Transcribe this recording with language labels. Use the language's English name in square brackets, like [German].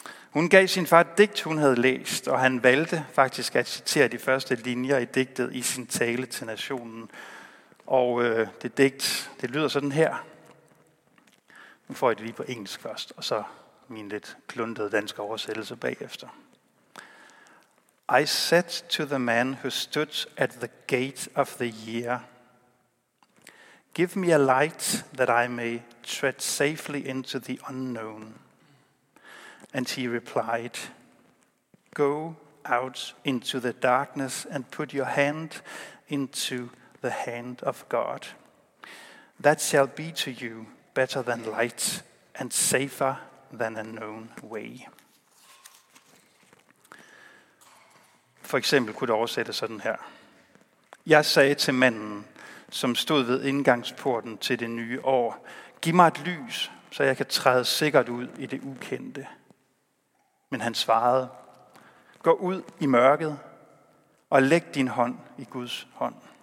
[Danish] Hun gav sin far et digt, hun havde læst, og han valgte faktisk at citere de første linjer i digtet i sin tale til nationen. Og det digt, det lyder sådan her. Nu får jeg det lige på engelsk først, og så min lidt kluntede danske oversættelse bagefter. [English] I said to the man who stood at the gate of the year, give me a light that I may tread safely into the unknown. And he replied, go out into the darkness and put your hand into the hand of God. That shall be to you better than light and safer than a known way. [Danish] For eksempel kunne du oversætte det sådan her. Jeg sagde til manden, som stod ved indgangsporten til det nye år, giv mig et lys, så jeg kan træde sikkert ud i det ukendte. Men han svarede, gå ud i mørket og læg din hånd i Guds hånd.